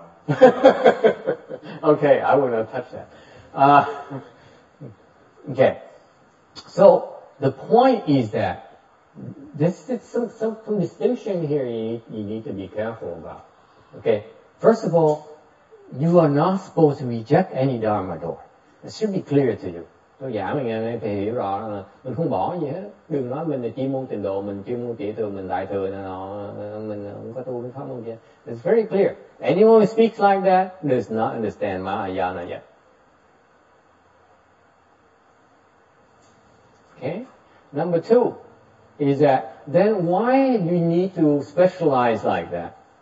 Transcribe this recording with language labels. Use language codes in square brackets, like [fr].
[en] Okay, I will not touch that. Okay. So, the point is that there's some distinction here you need to be careful about. Okay, first of all, you are not supposed to reject any Dharma door. It should be clear to you. [vi] Tôi giảng mình nghe phải hiểu rõ là mình không bỏ gì hết. Đừng nói mình là chuyên môn tình độ, mình chuyên môn tiểu thừa, mình đại thừa, nên nó mình không có tu cái pháp môn kia. [en] It's very clear. Anyone who speaks like that does not understand Mahayana yet. Okay. Number two is that then why do you need to specialize like that?